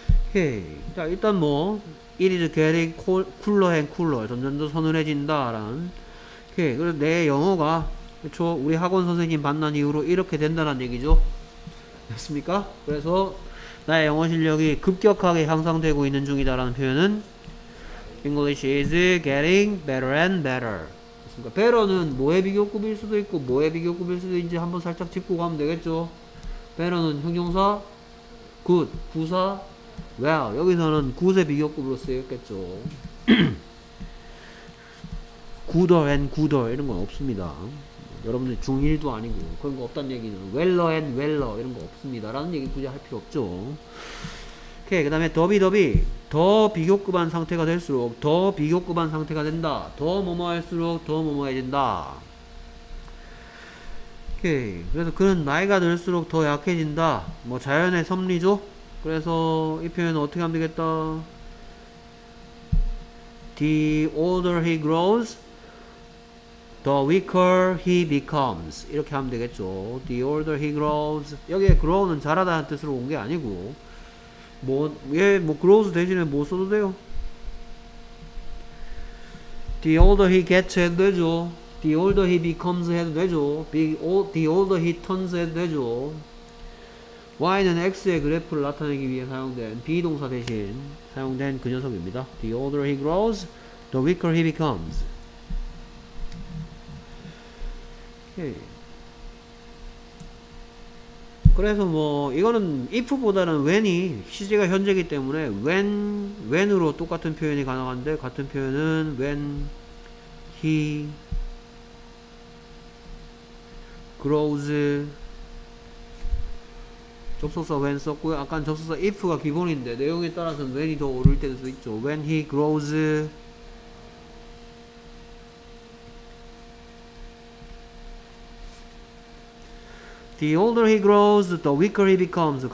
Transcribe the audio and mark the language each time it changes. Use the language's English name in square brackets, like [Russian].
[Korean] 오케이. 자, 일단 뭐 [English] It is getting cooler and cooler. [Korean] 점점 더 서늘해진다. 라는. 오케이. 그래서 내 영어가, 그쵸? 우리 학원 선생님 만난 이후로 이렇게 된다는 얘기죠. 됐습니까? 그래서 나의 영어 실력이 급격하게 향상되고 있는 중이다. 라는 표현은 [English] English is getting better and better. [Korean] 됐습니까? Better는 뭐의 비교급일 수도 있고, 뭐의 비교급일 수도 있는지 한번 살짝 짚고 가면 되겠죠. Better는 형용사, Good. 부사? Well, 여기서는 good의 비교급으로 쓰였겠죠. [English] Gooder and gooder [Korean] 이런 건 없습니다. 여러분들 중1도 아니고 그런 거 없다는 얘기는 [English] Weller and weller [Korean] 이런 거 없습니다. 라는 얘기 굳이 할 필요 없죠. 오케이, 그 다음에 더비 더 비교급한 상태가 될수록 더 비교급한 상태가 된다. 더 뭐뭐 할수록 더 뭐뭐 해진다. 오케이, 그래서 그는 나이가 들수록 더 약해진다. 뭐 자연의 섭리죠. 그래서 이 표현은 어떻게 하면 되겠다. [English] The older he grows, the weaker he becomes. [Korean] 이렇게 하면 되겠죠. [English] The older he grows. [Korean] 여기에 grow는 자라다는 뜻으로 온 게 아니고 뭐 grows 대신에 뭐 써도 돼요. [English] The older he gets [Korean] 해도 되죠. [English] The older he becomes 해도 되죠. The older he turns [Korean] 해도 되죠. Y는 X의 그래프를 나타내기 위해 사용된 비동사 대신 사용된 그 녀석입니다. [English] The older he grows, the weaker he becomes. Okay. [Korean] 그래서 뭐 이거는 if보다는 when이 시제가 현재이기 때문에 when으로 똑같은 표현이 가능한데 같은 표현은 when he grows 접속사 when 썼고요. 아까는 접속사 if가 기본인데 내용에 따라서는 when이 더 오를 때도 있죠. [English] When he grows The older he grows, the weaker he becomes.